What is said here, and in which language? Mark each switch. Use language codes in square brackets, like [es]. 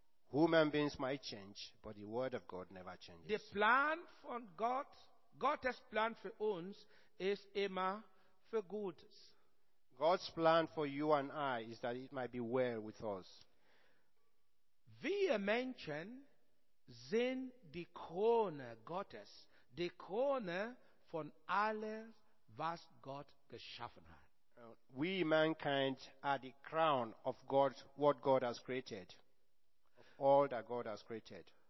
[en] Human beings might change, but the word of God never changes. The plan [de] von Gott, Gottes Plan für uns, ist immer für Gutes. [en] God's plan for you and I is that it might be well with us. [de] Wir Menschen sind die Krone Gottes, die Krone von allem, was Gott geschaffen hat. [en] We mankind are the crown of God, what God has created, of all that God has created.